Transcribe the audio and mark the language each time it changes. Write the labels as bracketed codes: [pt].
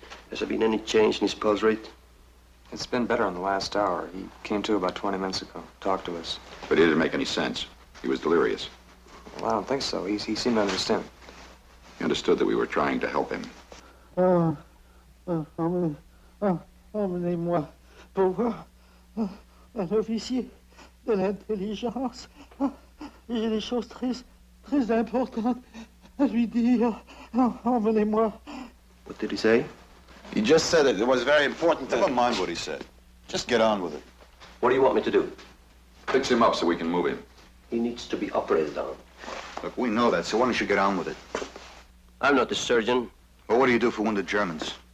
[en] Has there been any change in his pulse rate? It's been better in the last hour. He came to about 20 minutes ago, talked to us. But it didn't make any sense. He was delirious. Well, I don't think so. He seemed to understand. He understood that we were trying to help him. [fr] Emmenez-moi pour voir un officier de l'intelligence. J'ai des choses très, très importantes à lui dire. Emmenez-moi. [en] What did he say? He just said that it was very important to... Never mind what he said. Just get on with it. What do you want me to do? Fix him up so we can move him. He needs to be operated on. Look, we know that, so why don't you get on with it? I'm not a surgeon. Well, what do you do for wounded Germans?